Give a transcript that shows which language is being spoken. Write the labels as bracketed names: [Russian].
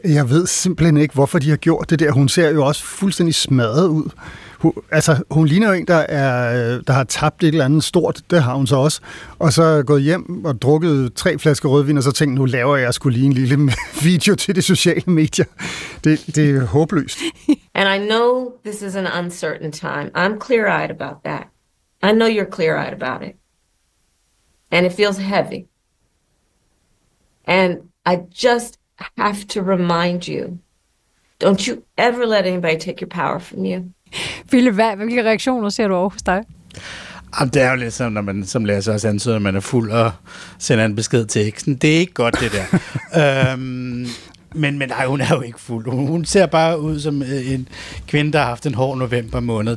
[Danish] Jeg ved simpelthen ikke, hvorfor de har gjort det der. Hun ser jo også fuldstændig smadret ud. Hun ligner jo en, der har tabt et eller andet stort, det har hun så også, og så gået hjem og drukket 3 flasker rødvin, og så tænkt, nu laver jeg sgu lige en lille video til de sociale medier. Det er håbløst. [English] And I know this is an uncertain time. I'm clear-eyed about that. I know you're clear-eyed about it. And it feels heavy. And I just have to remind you, Don't you ever let anybody take your power from you. [Danish] Philip, hvilke reaktioner ser du over hos dig? Jamen, det er jo lidt sådan, når man som læser også ansøger, at man er fuld og sender en besked til eksen. Det er ikke godt, det der. Men nej, hun er jo ikke fuld. Hun ser bare ud som en kvinde, der har haft en hård november måned.